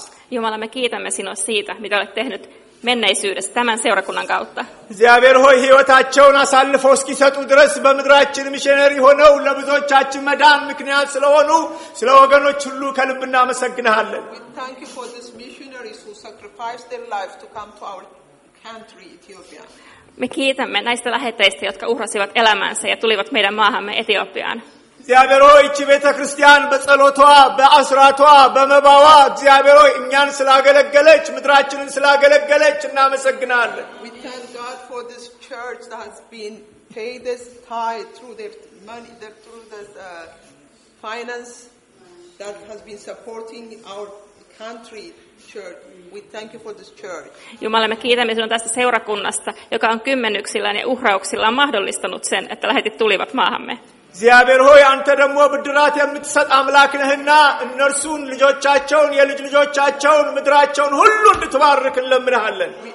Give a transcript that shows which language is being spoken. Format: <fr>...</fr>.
<fi>Jumala, me kiitämme sinua siitä, mitä olet tehnyt menneisyydessä tämän seurakunnan kautta.</fi> <am>እግዚአብሔር ሆይ ህይወታቸውን አሳልፎ እስኪሰጡ ድረስ በመድራችን ሚሽነሪ ሆነው ለብዙዎቻችን መዳን ምክንያት ስለሆኑ ስለወገኖች ሁሉ ከልብ እናመሰግናለን.</am> <en>We thank you for these missionaries who sacrificed their life to come to our country Ethiopia.</en> <fi>Me kiitämme näistä lähetteistä, jotka uhrasivat elämänsä ja tulivat meidän maahamme Etiopiaan.</fi> <am>እግዚአብሔር ሆይ እቺ ቤተ ክርስቲያን በጸሎቷ በአስራቷ በመባዋ እግዚአብሔር ሆይ እኛን ስላገለገለች ምድራችንን ስላገለገለች እናመሰግናለን።</am> <en>We thank God for this church that has been paid this tithe through their money, through the finance that has been supporting our country church. We thank you for this church.</en> <fi>Jumala, me kiitämme sinua tästä seurakunnasta, joka on kymmenyksillään ja uhrauksillaan mahdollistanut sen, että lähetit tulivat maahamme.</fi> <am>እግዚአብሔር ሆይ አንተ ደግሞ ብድራት የምትሰጥ አምላክ ነህና እነርሱን ልጆቻቸውን የልጅ ልጆቻቸውን ምድራቸውን ሁሉ እንድትባርክ እንለምናለን</am>